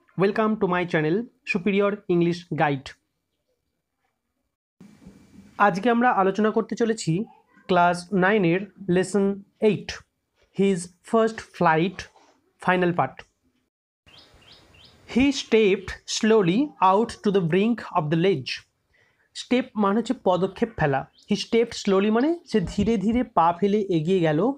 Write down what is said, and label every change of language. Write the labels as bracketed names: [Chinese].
[English] Welcome to my channel, Superior English Guide. [Bangla] আজকে আমরা আলোচনা করতে চলেছি ক্লাস 9 এর lesson 8, His First Flight, Final Part. [English] He stepped slowly out to the brink of the ledge. [Bangla] Step মানে হচ্ছে পদক্ষেপ ফেলা. [English] He stepped slowly [Bangla] মানে সে ধীরে ধীরে পা ফেলে এগিয়ে গেল.